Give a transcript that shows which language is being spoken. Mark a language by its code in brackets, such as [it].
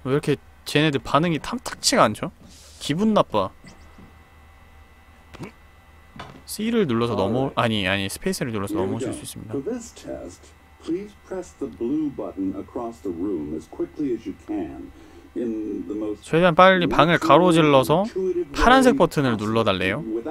[ko] 왜 이렇게 쟤네들 반응이 탐탁치가 않죠? 기분 나빠. C를 눌러서 넘어 아니, 스페이스를 눌러서 넘어오실 수 있습니다. [en] For this test, please press the blue button across the room as quickly as you can. [ko] 최대한 빨리 방을 가로질러서 파란색 버튼을 눌러달래요.